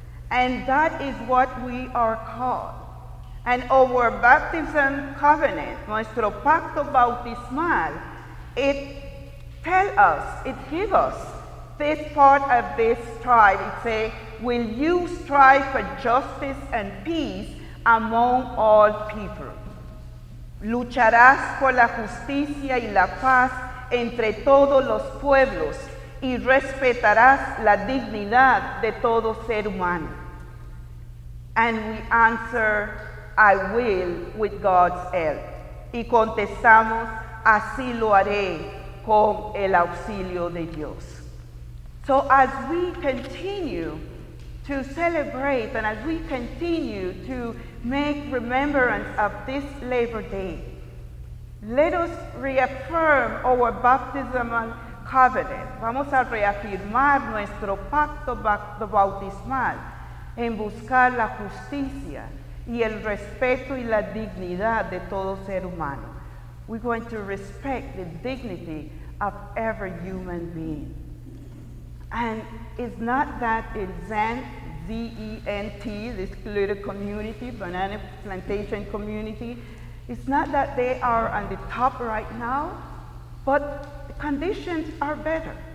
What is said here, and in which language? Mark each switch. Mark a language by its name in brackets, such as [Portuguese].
[English] And that is what we are called. And our baptism covenant, [Spanish] nuestro pacto bautismal, [English] it tells us, it gives us this part of this strife. It says, will you strive for justice and peace among all people? [Spanish] Lucharás por la justicia y la paz entre todos los pueblos y respetarás la dignidad de todo ser humano. [English] And we answer, I will with God's help. [Spanish] Y contestamos, así lo haré con el auxilio de Dios. [English] So as we continue to celebrate and as we continue to make remembrance of this Labor Day, let us reaffirm our baptismal covenant. [Spanish] Vamos a reafirmar nuestro pacto bautismal en buscar la justicia y el respeto y la dignidad de todo ser humano. [English] We're going to respect the dignity of every human being. And it's not that in Zent, Z-E-N-T, this little community, banana plantation community, It's not that they are on the top right now, but the conditions are better.